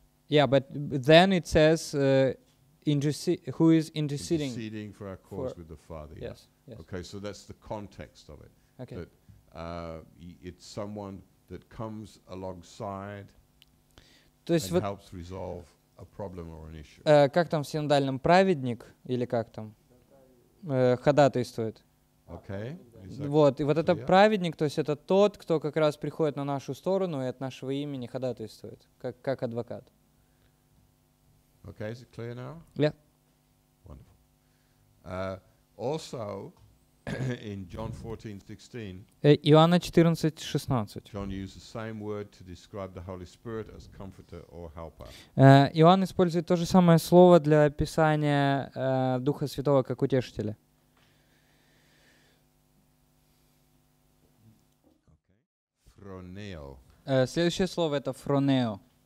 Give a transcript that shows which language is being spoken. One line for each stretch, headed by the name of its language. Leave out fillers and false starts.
English: Yeah, but then it says who is interceding? Interceding for our cause with the Father. Yes. Yeah. Okay, so that's the context of it. Okay. That it's someone that comes alongside and helps resolve a problem or an issue.
Russian: Как там в синодальном праведник или как там ходатайствует?
English: Okay.
Russian: Вот, и вот этот праведник, то есть это тот, кто как раз приходит на нашу сторону и от нашего имени ходатайствует, как адвокат.
English: Okay, is it clear now? Yeah. Wonderful. Also in John 14:16.
Russian: Иоанна 14:16.
English: John uses the same word to describe the Holy Spirit as comforter or helper.
Russian: Иоанн использует то же самое слово для описания Духа Святого как утешителя. Фронео. Следующее слово это фронео.